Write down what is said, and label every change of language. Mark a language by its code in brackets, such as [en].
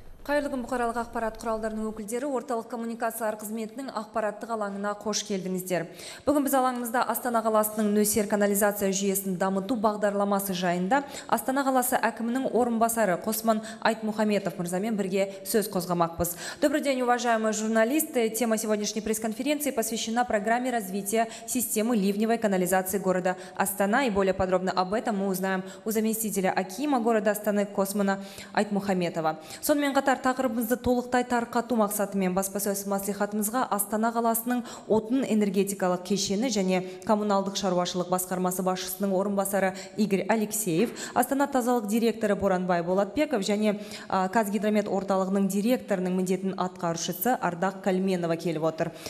[kk] Қайырлы күн, бұқаралық ақпарат құралдарының өкілдері, орталық коммуникациялар қызметінің ақпараттық алаңына қош келдіңіздер. Бүгін біз алаңымызда Астана қаласының нөсер канализация жүйесін дамыту бағдарламасы жайында Астана қаласы әкімінің орынбасары Қосман Айтмұхаметов мырзамен бірге сөз қозғамақпыз. [ru] Добрый день, уважаемые журналисты. Тема сегодняшней пресс-конференции посвящена программе развития системы ливневой канализации города Астана. И более подробно об этом мы узнаем у заместителя акима города Астаны Космана Айтмұхаметова. [kk] Сонымен қатар тақырыбымызды толықтай тарқату мақсатымен баспасөз мәслихатымызға Астана қаласының отын энергетикалық кешені және коммуналдық шаруашылық басқармасы басшысының орынбасары Игорь Алексеев, Астана тазалық директоры Боранбай Болатбеков және Қазгидромет орталығының директорының міндетін атқарушысы Ардақ Калменова келіп отыр.